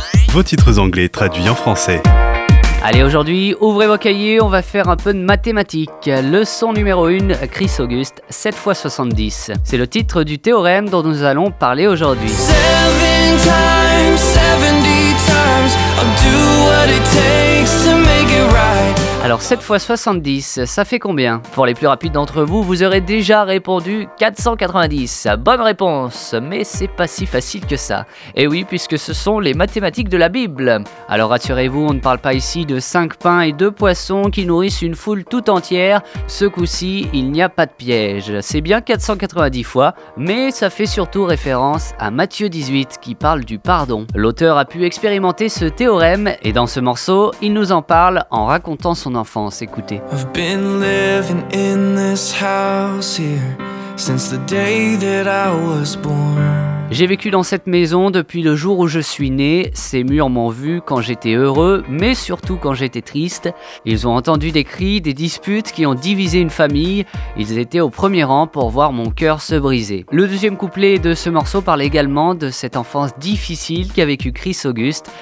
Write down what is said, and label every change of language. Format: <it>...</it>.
<fr>Vos titres anglais traduits en français. Allez, aujourd'hui, ouvrez vos cahiers, on va faire un peu de mathématiques. Leçon numéro 1, Chris Auguste, 7 fois 70. C'est le titre du théorème dont nous allons parler aujourd'hui.</fr> <en>7 times, 70 times, I'll do what it takes to make it right.</en> <fr>Alors 7 fois 70, ça fait combien? Pour les plus rapides d'entre vous, vous aurez déjà répondu 490. Bonne réponse, mais c'est pas si facile que ça. Et oui, puisque ce sont les mathématiques de la Bible. Alors rassurez-vous, on ne parle pas ici de 5 pains et 2 poissons qui nourrissent une foule toute entière. Ce coup-ci, il n'y a pas de piège. C'est bien 490 fois, mais ça fait surtout référence à Matthieu 18 qui parle du pardon. L'auteur a pu expérimenter ce théorème et dans ce morceau, il nous en parle en racontant son enfance, écoutez.</fr> <en>I've been living in this house here since the day that I was born.</en> <fr>J'ai vécu dans cette maison depuis le jour où je suis né. Ces murs m'ont vu quand j'étais heureux, mais surtout quand j'étais triste. Ils ont entendu des cris, des disputes qui ont divisé une famille. Ils étaient au premier rang pour voir mon cœur se briser. Le deuxième couplet de ce morceau parle également de cette enfance difficile qu'a vécu Chris Auguste.</fr>